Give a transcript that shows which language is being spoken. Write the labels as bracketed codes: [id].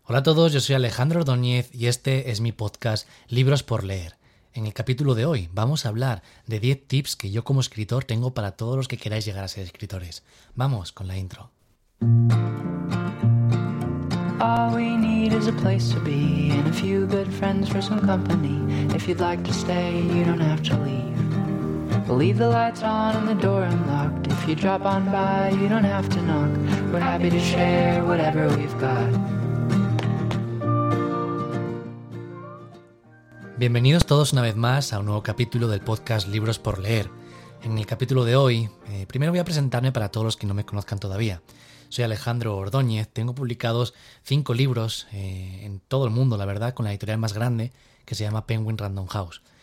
[es] Hola a todos, yo soy Alejandro Ordóñez y este es mi podcast Libros por Leer. En el capítulo de hoy vamos a hablar de 10 tips que yo como escritor tengo para todos los que queráis llegar a ser escritores. Vamos con la intro. [en] All we need is a place to be and a few good friends for some company. If you'd like to stay, you don't have to leave. We'll leave the lights on and the door unlocked. If you drop on by, you don't have to knock. We're happy to share whatever we've got. [es] Bienvenidos todos una vez más a un nuevo capítulo del podcast Libros por Leer. En el capítulo de hoy, primero voy a presentarme para todos los que no me conozcan todavía. Soy Alejandro Ordóñez, tengo publicados 5 libros en todo el mundo, la verdad, con la editorial más grande, que se llama Penguin Random House.